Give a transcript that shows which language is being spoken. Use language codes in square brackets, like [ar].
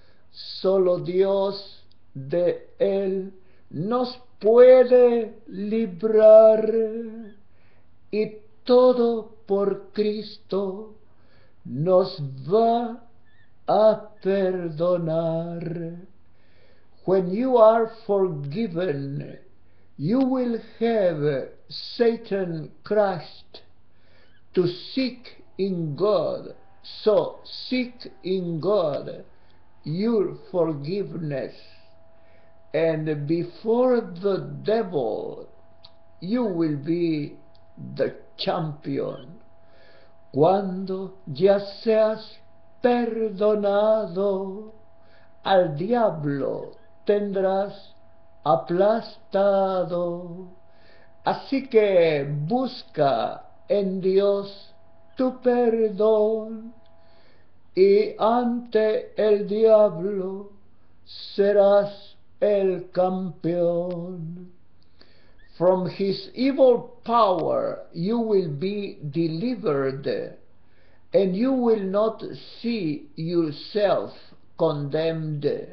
[es] Solo Dios de él nos puede librar, y todo por Cristo nos va a perdonar. [en] When you are forgiven, you will have Satan crushed. To seek in God, so seek in God your forgiveness, and before the devil, you will be the champion. [es] Cuando ya seas perdonado, al diablo tendrás aplastado. Así que busca en Dios tu perdón, y ante el diablo serás el campeón. [en] From his evil power you will be delivered, and you will not see yourself condemned.